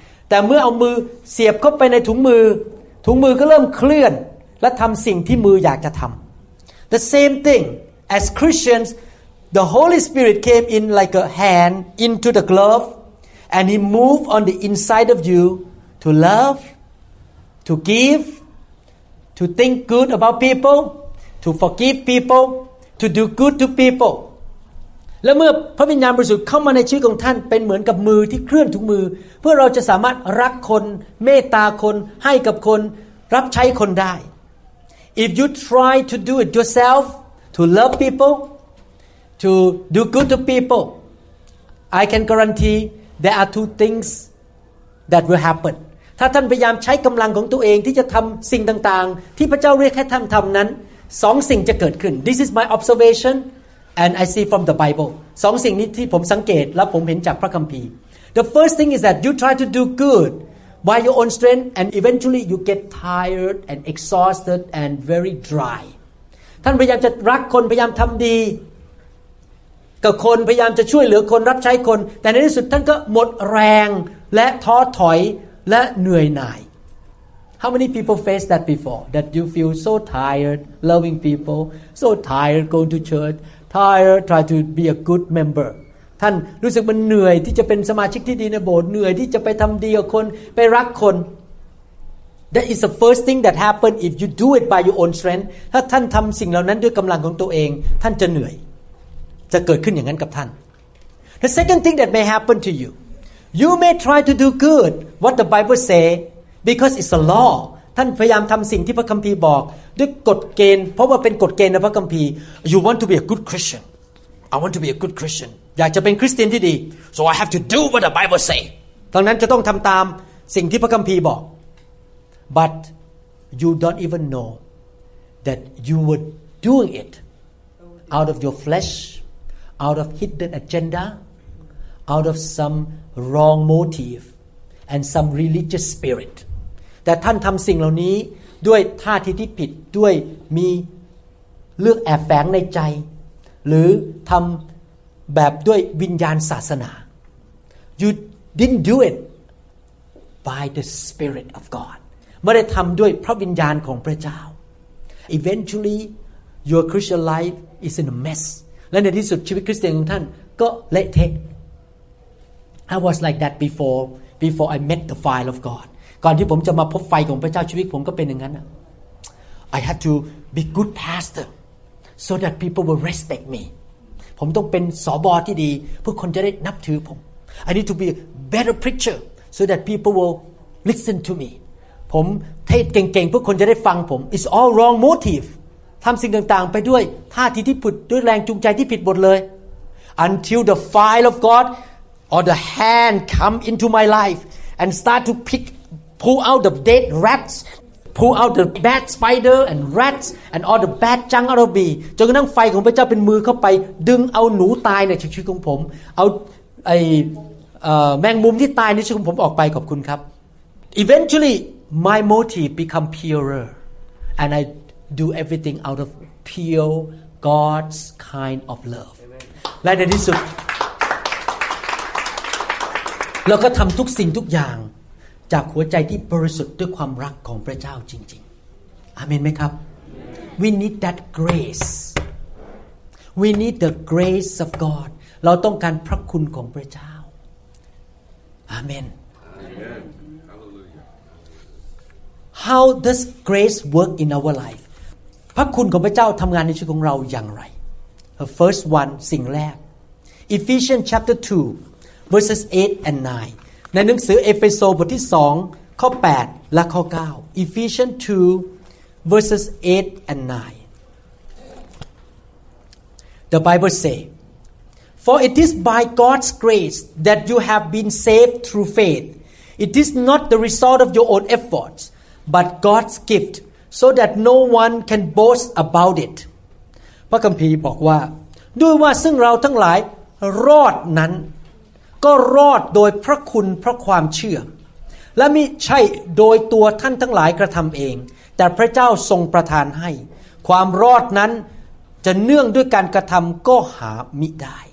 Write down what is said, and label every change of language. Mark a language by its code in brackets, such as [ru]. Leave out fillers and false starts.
[th] แต่เมื่อเอามือเสียบเข้าไปในถุงมือถุงมือก็เริ่มเคลื่อนและทำสิ่งที่มืออยากจะทำ [en] The same thing as Christians, the Holy Spirit came in like a hand into the glove, and He moved on the inside of you to love. To give, to think good about people, to forgive people, to do good to people. [th] และเมื่อพระวิญญาณบริสุทธิ์เข้ามาในชีวิตของท่านเป็นเหมือนกับมือที่เคลื่อนถุงมือเพื่อเราจะสามารถรักคนเมตตาคนให้กับคนรับใช้คนได้ [en] If you try to do it yourself, to love people, to do good to people, I can guarantee there are two things that will happen. [th] ถ้าท่านพยายามใช้กำลังของตัวเองที่จะทำสิ่งต่างๆที่พระเจ้าเรียกให้ท่านทำนั้นสองสิ่งจะเกิดขึ้น [en] This is my observation and I see from the Bible [th] สองสิ่งนี้ที่ผมสังเกตและผมเห็นจากพระคัมภีร์ [en] The first thing is that you try to do good by your own strength and eventually you get tired and exhausted and very dry [th] ท่านพยายามจะรักคนพยายามทำดี กับคนพยายามจะช่วยเหลือคนรับใช้คนแต่ในที่สุดท่านก็หมดแรงและท้อถอยและเหนื่อยหน่าย [en] How many people face that before? That you feel so tired loving people, so tired going to church, tired try to be a good member. [th] ท่านรู้สึกมันเหนื่อยที่จะเป็นสมาชิกที่ดีในโบสถ์เหนื่อยที่จะไปทำดีกับคนไปรักคน That is the first thing that happens if you do it by your own strength. ถ้าท่านทำสิ่งเหล่านั้นด้วยกำลังของตัวเองท่านจะเหนื่อยจะเกิดขึ้นอย่างนั้นกับท่าน [en] The second thing that may happen to youYou may try to do good, what the Bible say, because it's a law. [th] ท่านพยายามทำสิ่งที่พระคัมภีร์บอกด้วยกฎเกณฑ์เพราะว่าเป็นกฎเกณฑ์ในพระคัมภีร์ [en] You want to be a good Christian. I want to be a good Christian. [th] อยากจะเป็นคริสเตียนที่ดี [en] So I have to do what the Bible say. [th] ดังนั้นจะต้องทำตามสิ่งที่พระคัมภีร์บอก [en] But you don't even know that you were doing it out of your flesh, out of hidden agenda, out of some wrong motive and some religious spirit. [th] แต่ท่านทำสิ่งเหล่านี้ด้วยท่าทีที่ผิดด้วยมีเลือกแอบแฝงในใจหรือทำแบบด้วยวิญญาณศาสนา [en] You didn't do it by the Spirit of God [th] ไม่ได้ทำด้วยพระวิญญาณของพระเจ้า [en] Eventually your Christian life is in a mess [th] และในที่สุดชีวิตคริสเตียนของท่านก็เละเทะ [en] I was like that before I met the fire of God [th] ก่อนที่ผมจะมาพบไฟของพระเจ้าชีวิตผมก็เป็นอย่างนั้น [en] I had to be good pastorso that people will respect me [th] ผมต้องเป็นสบอที่ดีเพื่อคนจะได้นับถือผม [en] I need to be a better preacher so that people will listen to me [th] ผมเทศเก่งๆเพื่อคนจะได้ฟังผม [en] it's all wrong motive [th] ทำสิ่งต่างๆไปด้วยท่าทีที่ผิดด้วยแรงจูงใจที่ผิดหมดเลย [en] until the fire of God or the hand come into my life and start to pull out the dead ratsPull out the bad spider and rats and all the bad junk out of me. [th] จนกระทั่งไฟของพระเจ้าเป็นมือเข้าไปดึงเอาหนูตายในชีวิตของผมเอาไอ้แมงมุมที่ตายในชีวิตของผมออกไปขอบคุณครับ [en] Eventually my motive become purer and I do everything out of pure God's kind of love. Amen. [th] และในที่สุดเราก็ทำทุกสิ่งทุกอย่างจากหัวใจที่บริสุทธิ์ด้วยความรักของพระเจ้าจริงๆอาเมนไหมครับ [en] We need that grace. We need the grace of God. [th] เราต้องการพระคุณของพระเจ้าอาเมน [en] How does grace work in our life? [th] พระคุณของพระเจ้าทำงานในชีวิตของเราอย่างไร [en] The first one, [th] สิ่งแรก [en] Ephesians chapter 2 verses 8 and 9 [th] ในหนังสือเอเฟโซบทที่2ข้อ8และข้อ9 [en] Ephesians 2 verses 8 and 9 The Bible says For it is by God's grace that you have been saved through faith It is not the result of your own efforts but God's gift so that no one can boast about it [th] พระคัมภีร์บอกว่าด้วยว่าซึ่งเราทั้งหลายรอดนั้นก็รอดโดยพระคุณเพราะความเชื่อและไม่ใช่โดยตัวท่านทั้งหลายกระทำเองแต่พระเจ้าทรงประทานให้ความรอดนั้นจะเนื่องด้วยการกระทำก็หามิได